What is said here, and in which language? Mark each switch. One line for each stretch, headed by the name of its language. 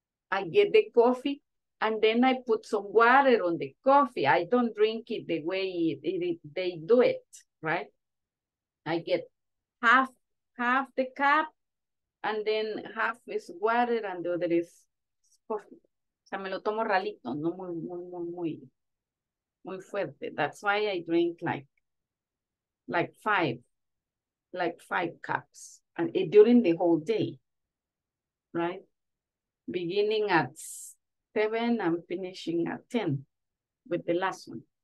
English: I get the coffee and then I put some water on the coffee. I don't drink it the way they do it, right? I get half the cup, and then half is water, and the other is coffee.
Spanish: O sea, me lo tomo ralito, no muy, muy, muy, muy, muy fuerte.
English: That's why I drink like five cups and during the whole day, right? Beginning at 7 and finishing at 10 with the last one.